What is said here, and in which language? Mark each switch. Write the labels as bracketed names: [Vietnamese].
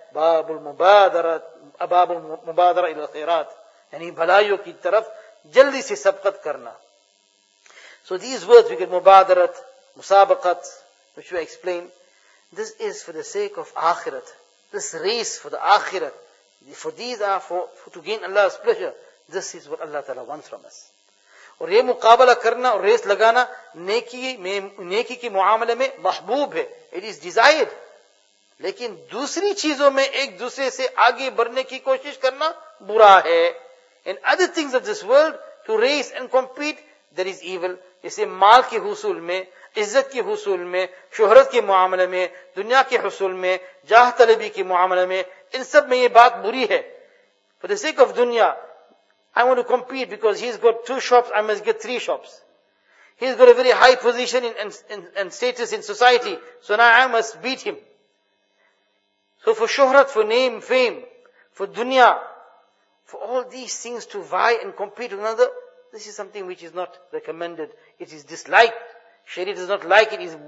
[Arabic] باب المبادرة الى الخيرات [Urdu] یعنی بھلائیوں کی طرف جلدی سے سبقت کرنا. [English] So these words we get mubadarat musabaqat which we explain. This is for the sake of akhirat. This race for the akhirat. For these are for to gain Allah's pleasure. This is what Allah Ta'ala wants from us. [Urdu] اور یہ مقابلہ کرنا اور race لگانا نیکی کی معاملے میں محبوب ہے. [English] It is desired. [Urdu] لیکن دوسری چیزوں میں ایک دوسرے سے آگے بڑھنے کی کوشش کرنا برا ہے. [English] In other things of this world, to race and compete, that is evil. [Urdu] اسے مال کے حصول میں, عزت کے حصول میں, شہرت کے معاملے میں, دنیا کے حصول میں, جاہ طلبی کے معاملے میں, ان سب میں یہ بات بری ہے. [English] For the sake of dunya, I want to compete because he's got 2 shops, I must get 3 shops. He's got a very high position in status in society, so now I must beat him. So for shohrat, for name, fame, for dunya, for all these things to vie and compete with another, this is something which is not recommended. It is disliked. Shariah does not like it.